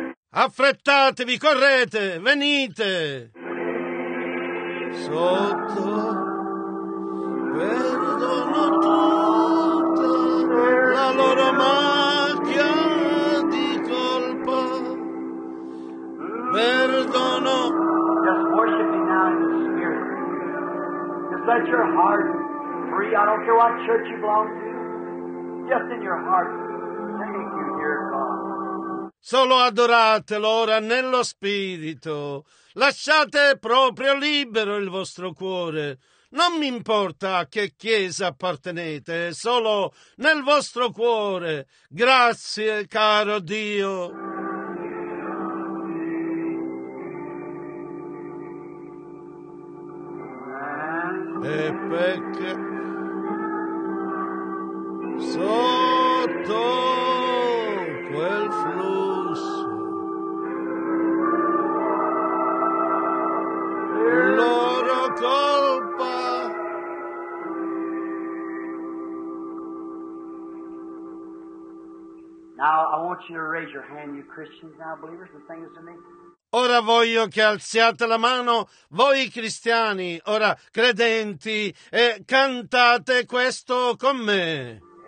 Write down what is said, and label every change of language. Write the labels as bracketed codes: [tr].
[it] Affrettatevi, correte, venite! Sotto perdono tutta la loro macchia di colpa. Perdono. [en] Just worship me now in the spirit. Just let your heart free. I don't care what church you belong to. Just in your heart. Thank you, dear God. [it] Solo adoratelo ora nello spirito. Lasciate proprio libero il vostro cuore. Non mi importa a che chiesa appartenete, solo nel vostro cuore. Grazie, caro Dio. E perché sotto quel flusso. Loro colpa. [en] Now I want you to raise your hand, you Christians, now believers, and sing this to me. [it] Ora voglio che alziate la mano, voi cristiani, ora credenti, e cantate questo con me.